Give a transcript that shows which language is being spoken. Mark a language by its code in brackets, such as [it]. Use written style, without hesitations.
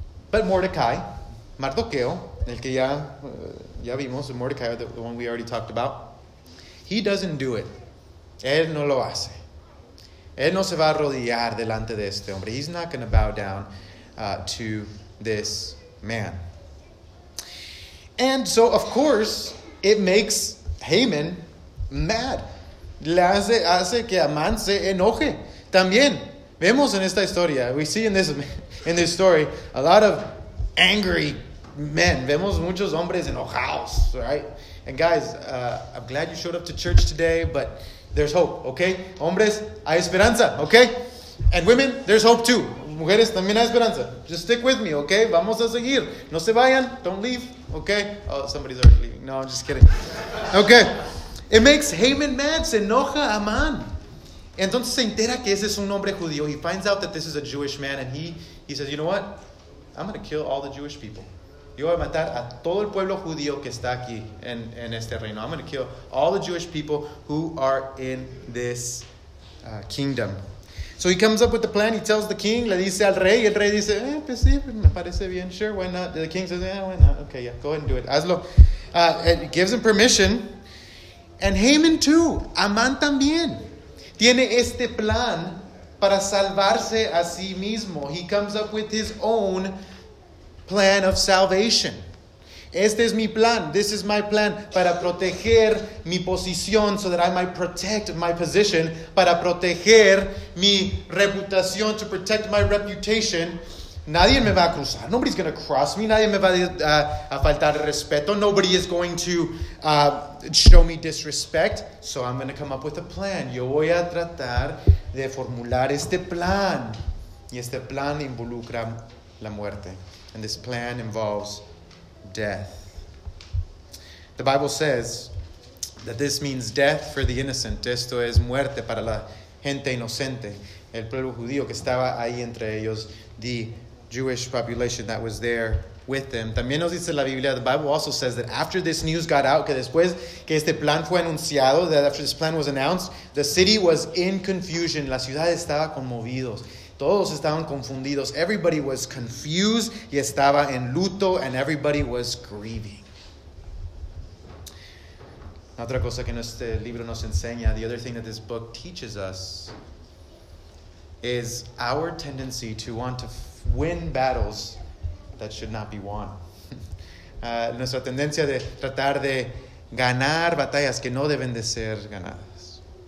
[en] But Mordecai, Mardoqueo, [es] el que ya vimos, [en] Mordecai, the one we already talked about, he doesn't do it. [es] Él no lo hace. Él no se va a arrodillar delante de este hombre. [en] He's not going to bow down to this man. And so, of course, it makes Haman mad. [es] Le hace que Amán se enoje. También vemos en esta historia, [en] we see in this story, a lot of angry men. [es] Vemos muchos hombres enojados, right? [en] And guys, I'm glad you showed up to church today, but there's hope, okay? [es] Hombres, hay esperanza, [en] okay? And women, there's hope too. [es] Mujeres, también hay esperanza. [en] Just stick with me, okay? [es] Vamos a seguir. No se vayan. [en] Don't leave, okay? Oh, somebody's already leaving. No, I'm just kidding. Okay. It makes Haman mad. [es] Se enoja a Amán. Entonces se entera que ese es un hombre judío. [en] He finds out that this is a Jewish man. And he says, you know what? I'm going to kill all the Jewish people. [es] Yo voy a matar a todo el pueblo judío que está aquí en este reino. [en] I'm going to kill all the Jewish people who are in this kingdom. So he comes up with the plan. He tells the king, [es] le dice al rey. Y el rey dice, pues sí, me parece bien. [en] Sure, why not? The king says, why not? Okay, yeah, go ahead and do it. [es] Hazlo. [en] It gives him permission. And Haman too. [es] Amán también. Tiene este plan para salvarse a sí mismo. [en] He comes up with his own plan of salvation. [es] Este es mi plan. [en] This is my plan [es] para proteger mi posición [en] so that I might protect my position, [es] para proteger mi reputación, [en] to protect my reputation. [es] Nadie me va a cruzar. [en] Nobody's going to cross me. [es] Nadie me va a faltar respeto. Nobody is going to show me disrespect. [en] So I'm going to come up with a plan. [es] Yo voy a tratar de formular este plan. Y este plan involucra la muerte. [en] And this plan involves death. The Bible says that this means death for the innocent. [es] Esto es muerte para la gente inocente. El pueblo judío que estaba ahí entre ellos. [en] The Jewish population that was there with them. También nos dice la Biblia, the Bible also says that after this news got out, [es] que después que este plan fue anunciado, [en] that after this plan was announced, the city was in confusion. [es] La ciudad estaba conmovidos. Todos estaban confundidos. [en] Everybody was confused [es] y estaba en luto, [en] and everybody was grieving. [es] Otra cosa que este libro nos enseña, [en] the other thing that this book teaches us, is our tendency to want to win battles that should not be won. [es] Nuestra tendencia de tratar de ganar batallas que no deben de ser ganadas.